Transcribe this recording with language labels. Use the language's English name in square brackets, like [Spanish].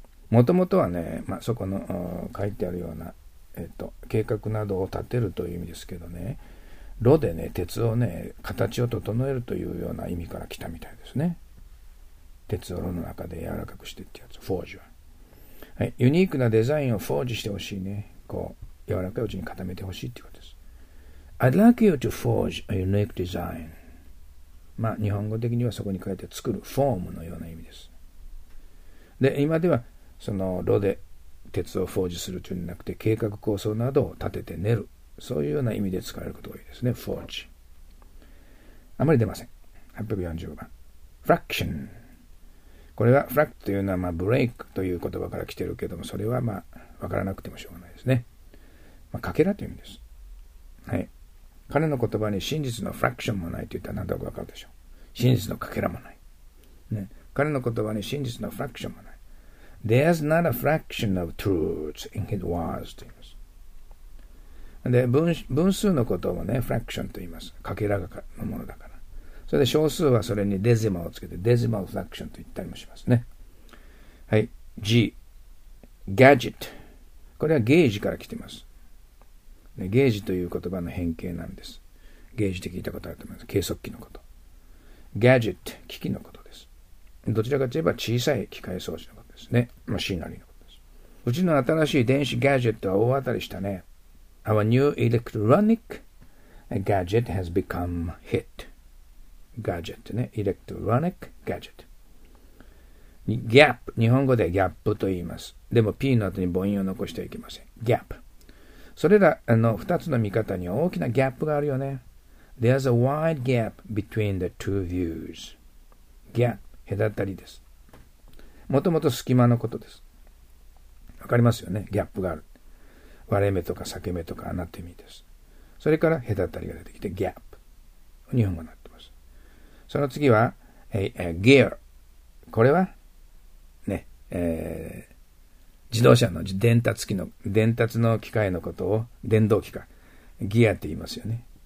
[Japanese] もともとはね、まあ、そこの書いてあるような、計画などを立てるという意味ですけどね、炉でね、鉄をね、形を整えるというような意味から来たみたいですね。鉄を炉の中で柔らかくしてってやつ、フォージは、はい、ユニークなデザインをフォージしてほしいね。こう柔らかいうちに固めてほしいっていうことです。 [English] I'd like you to forge a unique design。 [Japanese] まあ日本語的にはそこに書いて作る、フォームのような意味です。で、今ではその炉で鉄をフォージするというのではなくて、計画構想などを立てて練る、そういうような意味で使われることが多いですね。フォージあまり出ません。845番、フラクション。これはフラクというのは、まあ、ブレイクという言葉から来てるけども、それはまあ分からなくてもしょうがないですね。まあ、かけらという意味です。はい、彼の言葉に真実のフラクションもないと言ったら何となく分かるでしょう。真実のかけらもない、ね、彼の言葉に真実のフラクションもない。 [English] There's not a fraction of truth in his words [Japanese] と言います。で、分数のことをね、フラクションと言います。かけらのものだから。それで小数はそれにデジマをつけて、デジマルフラクションと言ったりもしますね。はい。G。 ガジェット。これはゲージから来てます。ゲージという言葉の変形なんです。ゲージって聞いたことあると思います。計測器のこと。ガジェット、機器のことです。どちらかといえば小さい機械装置のことですね。マシナリーのことです。うちの新しい電子ガジェットは大当たりしたね。 [English] Our new electronic gadget has become hit. Gadget ね。 Electronic gadget. Gap。 [Japanese] 日本語でギャップと言います。でも P の後に母音を残してはいけません。 [English] Gap。 [Japanese] それら2つの見方には大きなギャップがあるよね。 [English] There's a wide gap between the two views. [Japanese] Gap。 隔たりです。もともと隙間のことです。わかりますよね。ギャップがある。割れ目とか裂け目とか穴って意味です。それから隔たりが出てきて、ギャップ。日本語になってます。その次は、ギア。これは、ね、自動車の伝達機の、伝達の機械のことを、電動機か、ギアって言いますよね。